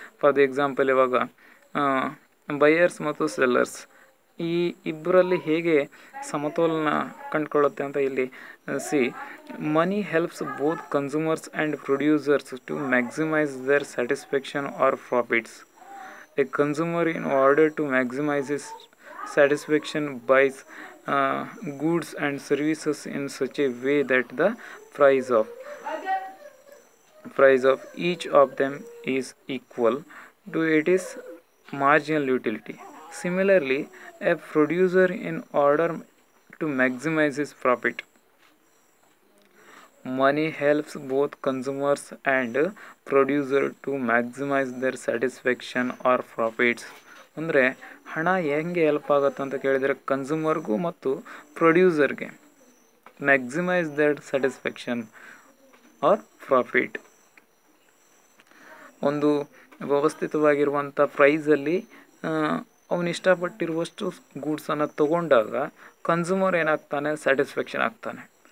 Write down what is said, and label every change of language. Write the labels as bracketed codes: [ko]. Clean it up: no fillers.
[en] for the example, [kn] ಇವಾಗ buyers ಮತ್ತು sellers ಈ ಇಬ್ಬರಲ್ಲಿ ಹೇಗೆ ಸಮತೋಲನ ಕಂಡುಕೊಳ್ಳುತ್ತೆ ಅಂತ ಇಲ್ಲಿ C. [en] Money helps both consumers and producers to maximize their satisfaction or profits. A consumer in order to maximize his satisfaction buys goods and services in such a way that the price of each of them is equal to its marginal utility. Similarly, a producer in order to maximize his profit. Money helps both consumers and producer to maximize their satisfaction or profits. [kn] ಅಂದರೆ ಹಣ ಹೆಂಗೆ help ಆಗುತ್ತೆ ಅಂತ ಕೇಳಿದರೆ ಕನ್ಸೂಮರ್ಗೂ ಮತ್ತು ಪ್ರೊಡ್ಯೂಸರ್ಗೆ [en] Maximize that satisfaction or profit. [kn] ಒಂದು ವ್ಯವಸ್ಥಿತವಾಗಿರುವಂಥ ಪ್ರೈಸಲ್ಲಿ ಅವನಿಷ್ಟಪಟ್ಟಿರುವಷ್ಟು ಗೂಡ್ಸನ್ನು ತಗೊಂಡಾಗ ಕನ್ಸೂಮರ್ ಏನಾಗ್ತಾನೆ, ಸ್ಯಾಟಿಸ್ಫ್ಯಾಕ್ಷನ್ ಆಗ್ತಾನೆ.